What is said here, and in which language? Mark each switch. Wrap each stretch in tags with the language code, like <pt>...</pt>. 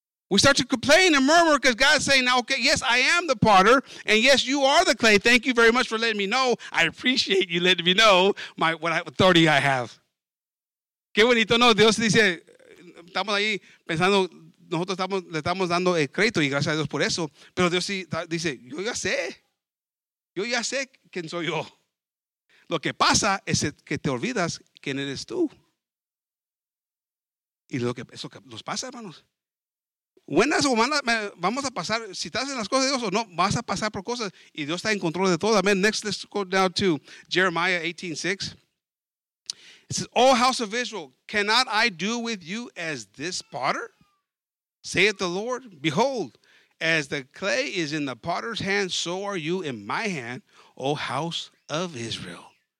<en>We start to complain and murmur because God's saying, now, okay, yes, I am the potter. And yes, you are the clay. Thank you very much for letting me know. I appreciate you letting me know what authority I have.</en> <es>Qué bonito, ¿no? Dios dice, estamos ahí pensando, nosotros le estamos dando el crédito y gracias a Dios por eso. Pero Dios sí dice, yo ya sé quién soy yo. Lo que pasa es que te olvidas quién eres tú. Y eso nos pasa, hermanos. Buenas o malas, vamos a pasar, si estás en las cosas de Dios o no, vas a pasar por cosas y Dios está en control de todo.</es> <en>Amen. Next, let's go down to Jeremiah 18:6. It says, "O house of Israel, cannot I do with you as this potter? Saith the Lord, behold, as the clay is in the potter's hand, so are you in my hand, O house of Israel."</en>